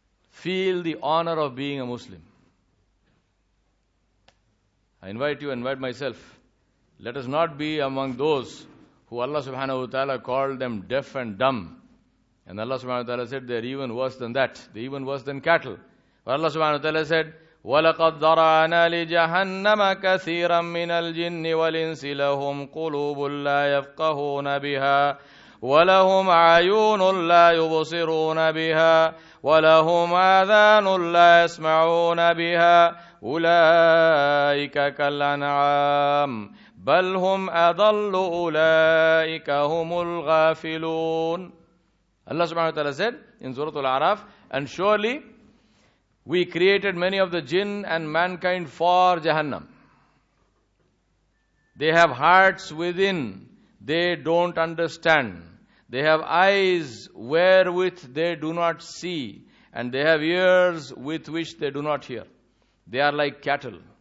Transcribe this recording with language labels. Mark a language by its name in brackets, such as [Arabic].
[English] Feel the honor of being a Muslim. I invite you, invite myself. Let us not be among those who Allah subhanahu wa ta'ala called them deaf and dumb. And Allah subhanahu wa ta'ala said they are even worse than that. They are even worse than cattle. But Allah subhanahu wa ta'ala said, [Arabic] وَلَقَدْ ذَرَعَنَا لِجَهَنَّمَ كَثِيرًا مِّنَ الْجِنِّ وَالْإِنسِ لَهُمْ قُلُوبٌ لَا يَفْقَهُونَ بِهَا ولهم عيون لا يبصرون بها ولهم آذان لا يسمعون بها أولئك كالأنعام بل هم أضل أولئك هم الغافلون. [English] Allah subhanahu wa ta'ala said in Surah Al-A'raf, and surely we created many of the jinn and mankind for Jahannam. They have hearts within, they don't understand. They have eyes wherewith they do not see, and they have ears with which they do not hear. They are like cattle.